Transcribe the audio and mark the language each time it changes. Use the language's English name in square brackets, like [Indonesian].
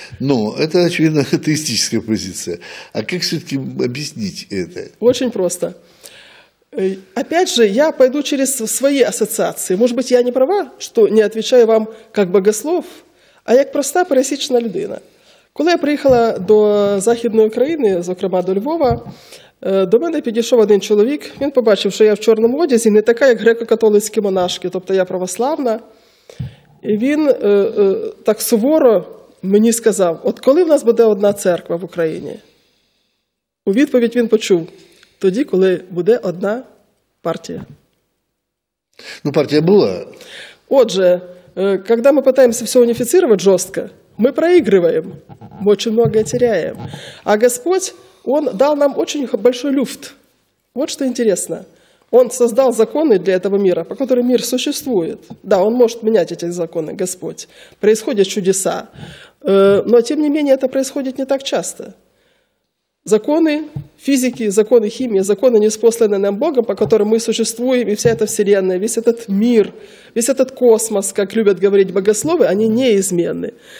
[Russian] Но это, очевидно, атеистическая позиция. А как все-таки объяснить это? Очень просто. Опять же, я пойду через свои ассоциации. Может быть, я не права, что не отвечаю вам как богослов, [Ukrainian] а як проста пересічна людина. Коли я приїхала до Західної України, зокрема до Львова, до мене підійшов один чоловік. Він побачив, що я в чорному одязі, не така, як греко-католицькі монашки, тобто я православна. І він так суворо мені сказав, от коли в нас буде одна церква в Україні? У відповідь він почув, тоді, коли буде одна партія. Ну, партія була. Отже, коли ми намагаємося все уніфіцірувати жорстко, ми проігриваємо, ми дуже багато втрачаємо. А Господь, Он дав нам дуже великий люфт. От що цікаво. [Russian] Он создал законы для этого мира, по которым мир существует. Да, он может менять эти законы, Господь. Происходят чудеса. Но, тем не менее, это происходит не так часто. Законы физики, законы химии, законы, неспосланные нам Богом, по которым мы существуем, и вся эта вселенная, весь этот мир, весь этот космос, как любят говорить богословы, они неизменны.